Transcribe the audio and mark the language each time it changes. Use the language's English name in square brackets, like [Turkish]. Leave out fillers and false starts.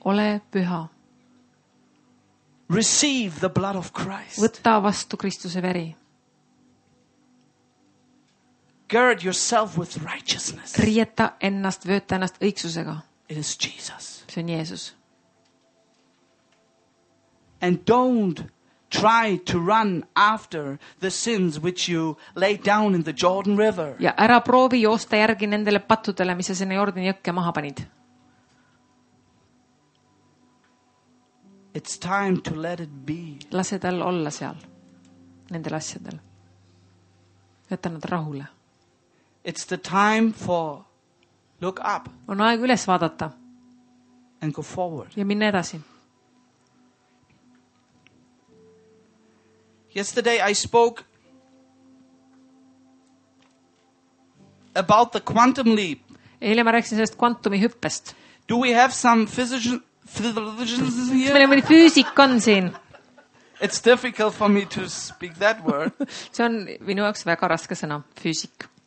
[Estonian] Ole püha. [English] Receive the blood of Christ. [Estonian] Võtta vastu Kristuse veri. [English] Gird yourself with righteousness. [Estonian] Riieta ennast, vööta ennast õigsusega. [English] It is Jesus. [Estonian] See on Jeesus. [English] And don't try to run after the sins which you laid down in the Jordan River. [Estonian] Ja ära proovi joosta järgi nendele pattudele, mis sa sinna Jordani jõkke maha panid. [English] It's time to let it be. [Estonian] Lase tal olla seal, nendel asjadel. Võtta nad rahule. [English] It's the time for look up. [Estonian] On aeg üles vaadata. [English] And go forward. [Estonian] Ja minna edasi. [English] Yesterday I spoke about the quantum leap. [Estonian] Eile ma rääksin sellest kvantumi hüppest. [English] Do we have some physicians here? [Estonian] Meil on mõni füüsik on siin. [English] It's difficult for me to speak that word. [Estonian] See on minu jaoks väga raske sõna, füüsik.